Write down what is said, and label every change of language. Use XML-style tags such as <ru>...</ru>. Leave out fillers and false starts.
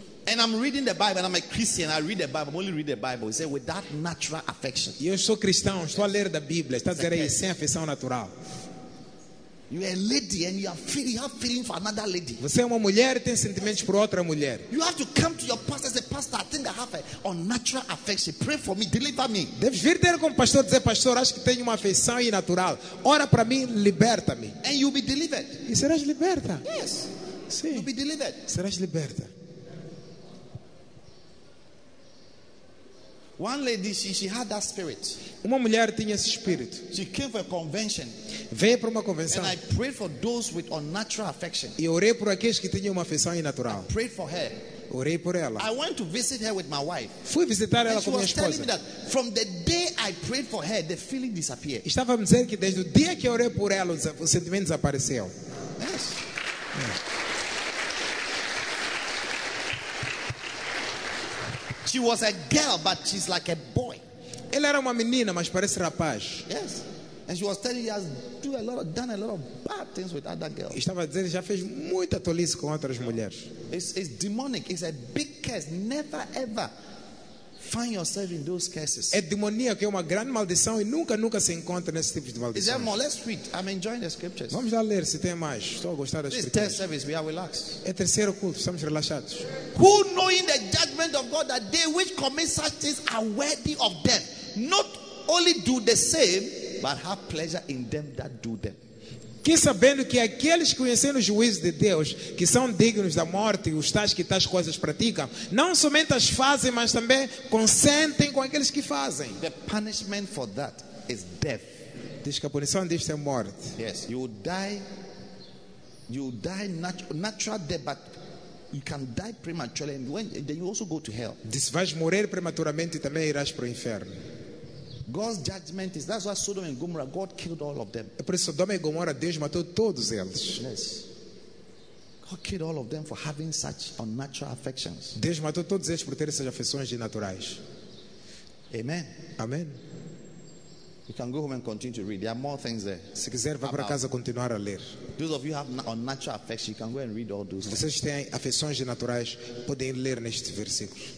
<en>And I'm reading the Bible, and I'm a Christian. I read the Bible. I'm only read the Bible. He said, without natural affection.</en> <pt>Eu sou cristão. Estou a ler da Bíblia. Está a dizer aí, sem afeição natural.</pt> <en>You are a lady, and you have feeling for another lady.</en> <pt>Você é uma mulher e tem sentimentos por outra mulher.</pt> <en>You have to come to your pastor and say, "Pastor, I think I have a unnatural affection. Pray for me, deliver me."</en> <pt>Deves vir ter com o pastor e dizer, "Pastor, acho que tenho uma afeição inatural. Ora para mim, liberta-me."</pt> <en>And you'll be delivered.</en> <pt>E serás liberta.</pt> <en>Yes.</en> <pt>Sim.</pt> <en>You'll be delivered.</en> <pt>Serás liberta.</pt> <en>One lady, she had that spirit.</en> <pt>Uma mulher tinha esse espírito.</pt> <en>She came for a convention.</en> <pt>Veio para uma convenção.</pt> <en>And I prayed for those with unnatural affection.</en> <pt>E orei por aqueles que tinham uma afeição inatural.</pt> <en>I prayed for her.</en> <pt>Orei por ela.</pt> <en>I went to visit her with my wife.</en> <pt>Fui visitar ela com minha esposa.</pt> <en>She was telling me that from the day I prayed for her, the feeling disappeared.</en> <pt>Estava a dizer que desde o dia que orei por ela, o sentimento desapareceu.</pt> <en>Yes. She was a girl, but she's like a boy.</en> <pt>Ela era uma menina, mas parece rapaz.</pt> <en>Yes. And she was telling me, has done a lot of bad things with other girls.</en> <pt>Estava dizendo, já fez muita tolice com outras mulheres.</pt> <en>It's demonic. It's a big curse. Never ever find yourself in those curses.</en> <pt>É demoníaco, é uma grande maldição e nunca se encontra nesse tipo de maldição.</pt> <en>Is there more? Let's read. I'm enjoying the scriptures.</en> <pt>Vamos lá ler se tem mais. Estou a gostar das</pt> <en>scriptures. This third service, we are relaxed.</en> <pt>É terceiro culto, estamos relaxados.</pt> <en>Who knowing the judgment of God that they which commit such things are worthy of them, not only do the same, but have pleasure in them that do them.</en> <pt>Que sabendo que aqueles que conhecem o juízo de Deus, que são dignos da morte, os tais que tais coisas praticam, não somente as fazem, mas também consentem com aqueles que fazem.</pt> <en>The punishment for that is death.</en> <pt>Diz que a punição disto é morte.</pt> <en>Yes, you die natural death, but you can die prematurely, and then you also go to hell.</en> <pt>Diz, vais morrer prematuramente e também irás para o inferno.</pt> <en>God's judgment is, that's why Sodom and Gomorrah, God killed all of them.</en> <pt>É por isso Sodoma e Gomorra, Deus matou todos eles.</pt> <en>Yes. God killed all of them for having such unnatural affections.</en> <pt>Deus matou todos eles por terem essas afeições inaturais.</pt> <en>Amen.</en> <pt>Amen.</pt> <en>You can go home and continue to read. There are more things there.</en> <pt>Se quiser, vá para casa continuar a ler.</pt> <en>Those of you have unnatural affections, you can go and read all those.</en> <pt>Vocês têm afeições inaturais, podem ler neste versículo.</pt>